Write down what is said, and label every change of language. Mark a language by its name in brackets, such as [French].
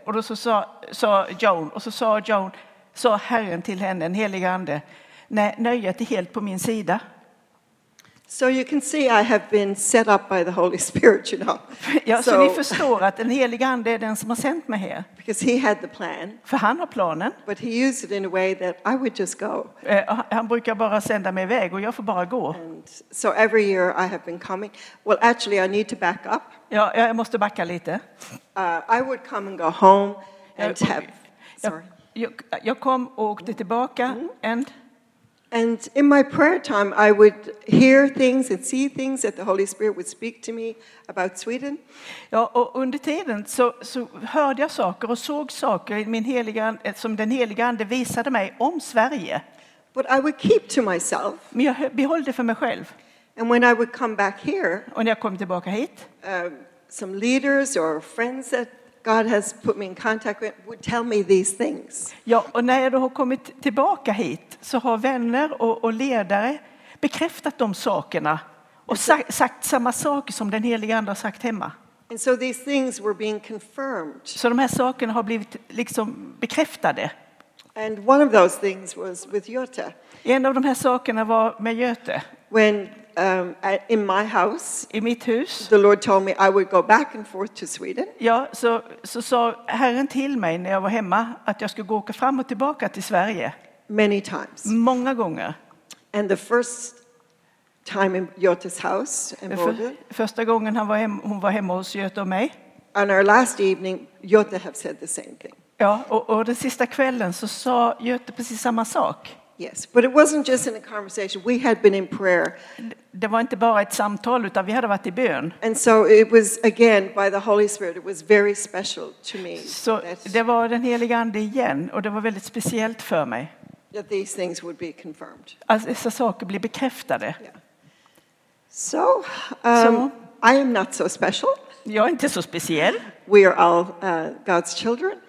[Swedish] Och då sa Joan, och så sa Joan, sa Herren till henne, den helige ande, nej, nöjet är helt på min sida. [English] So you can see I have been set up by the Holy Spirit, you know. [Swedish] Ja, så ni förstår att den helige ande är den som har sänt mig här. [English] Because he had the plan. [Swedish] För han har planen. [English] But he used it in a way that I would just go. [Swedish] Han brukar bara sända mig iväg och jag får bara gå. [English] And so every year I have been coming. Well, actually I need to back up. [Swedish] Ja, jag måste backa lite. [English] I would come and go home and have. Sorry. [Swedish] Jag kom och åkte tillbaka and. [English] And in my prayer time I would hear things and see things that the Holy Spirit would speak to me about Sweden. [Swedish] Ja, och under tiden så hörde jag saker och såg saker i min heliga, som den heliga ande visade mig om Sverige. [English] But I would keep to myself. [Swedish] Men jag behöll det för mig själv. [English] And when I would come back here, [Swedish] och när jag kom tillbaka hit, [English] some leaders or friends that God has put me in contact with would tell me these things. [Swedish] Ja, och när jag då har kommit tillbaka hit så har vänner och ledare bekräftat de sakerna och sagt samma saker som den helige ande har sagt hemma. [English] And so these things were being confirmed. [Swedish] Så de här sakerna har blivit liksom bekräftade. [English] And one of those things was with Göte. [Swedish] En av de här sakerna var med Göte. [English] When in my house, [Swedish] i mitt hus, [English] the Lord told me I would go back and forth to Sweden. [Swedish] Ja, så sa Herren till mig när jag var hemma att jag skulle gå och åka fram och tillbaka till Sverige. [English] Many times. [Swedish] Många gånger. [English] And the first time in Göte's house in Boden. [Swedish] Första gången hon var hemma hos Göte och mig. [English] And our last evening, Göte have said the same thing. [Swedish] Ja, och den sista kvällen så sa Göte precis samma sak. [English] Yes, but it wasn't just in a conversation. We had been in prayer. [Swedish] Det var inte bara ett samtal utan vi hade varit i bön. [English] And so it was again by the Holy Spirit. It was very special to me. [Swedish] Så det var den helige ande igen och det var väldigt speciellt för mig. [English] That these things would be confirmed. [Swedish] Alltså dessa saker blir bekräftade. [English] Yeah. So, so I am not so special. [Swedish] Jag är inte så speciell. [English] We are all God's children.